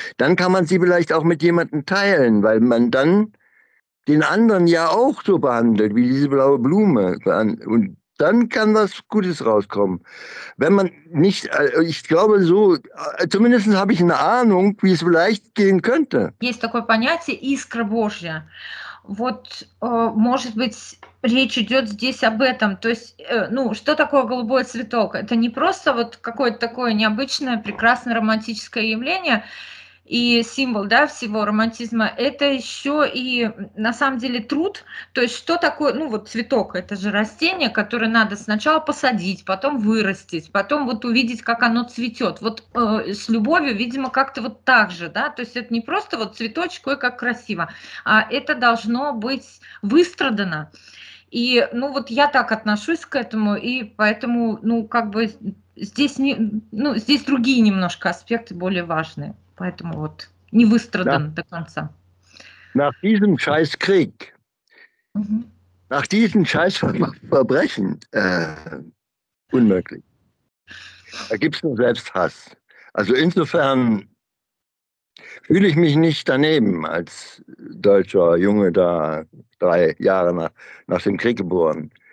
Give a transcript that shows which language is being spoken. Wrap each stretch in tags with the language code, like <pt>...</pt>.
<de>Dann kann man sie vielleicht auch mit jemandem teilen, weil man dann den anderen ja auch so behandelt, wie diese blaue Blume. Und dann kann was Gutes rauskommen. Wenn man nicht, ich glaube so, zumindest habe ich eine Ahnung, wie es vielleicht gehen könnte.</de> <ru>Есть такое понятие «искра Божья». Вот, может быть, речь идет здесь об этом. То есть, ну, что такое голубой цветок? Это не просто вот какое-то такое необычное, прекрасное романтическое явление, и символ, да, всего романтизма, это еще и на самом деле труд. То есть что такое, ну вот цветок, это же растение, которое надо сначала посадить, потом вырастить, потом вот увидеть, как оно цветет. Вот с любовью, видимо, как-то вот так же, да, то есть это не просто вот цветочек, ой, как красиво, а это должно быть выстрадано. И, ну вот я так отношусь к этому, и поэтому, ну как бы здесь, не, ну, здесь другие немножко аспекты более важные. Поэтому вот не выстрадан до конца.</ru> <de>Nach diesem Scheißkrieg, nach diesem Scheißverbrechen, unmöglich. Da gibt es nur Selbsthass. Also insofern fühle ich mich nicht daneben als deutscher Junge da, 3 Jahre nach dem Krieg geboren.</de>